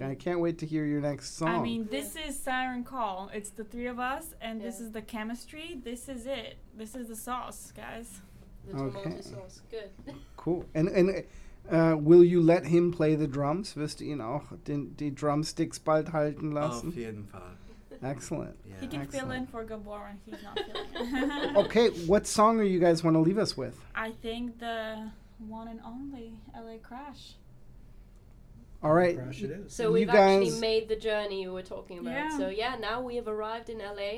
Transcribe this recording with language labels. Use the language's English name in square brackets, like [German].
[English] I can't wait to hear your next song. I mean, this is Siren Call. It's the three of us, and this is the chemistry. This is it. This is the sauce, guys. The tomato sauce. Good. Cool. And will you let him play the drums? [German] Wirst du ihn auch die Drumsticks bald halten lassen? Auf jeden Fall. [English] Excellent. Yeah. He can Excellent. Fill in for Gabor when he's not feeling. Okay, what song are you guys want to leave us with? I think the one and only LA Crash. All right. Crash it is. So you we've actually made the journey you were talking about. Yeah. So yeah, now we have arrived in LA.